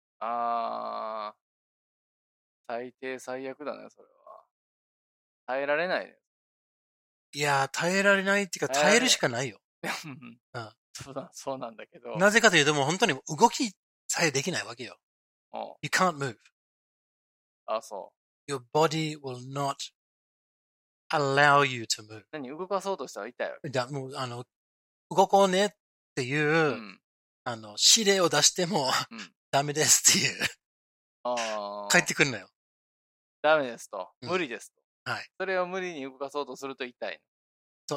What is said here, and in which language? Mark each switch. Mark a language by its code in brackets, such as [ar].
[ja] あー。最低最悪だね、それは。耐えられないね。いやー、耐えられないっていうか、耐えるしかないよ。そうなんだけど。なぜかというと、もう本当に動きさえできないわけよ。 [en] You can't move. [ja] あ、そう。 [en] Your body will not allow you to move. [ja] 何動かそうとしたら痛いわけ。だ、もう、あの、動こうねっていう、うん、あの、指令を出しても、うん、ダメですっていう。ああ。帰ってくるのよ。ダメですと。無理ですと、うん。はい。それを無理に動かそうとすると痛いの。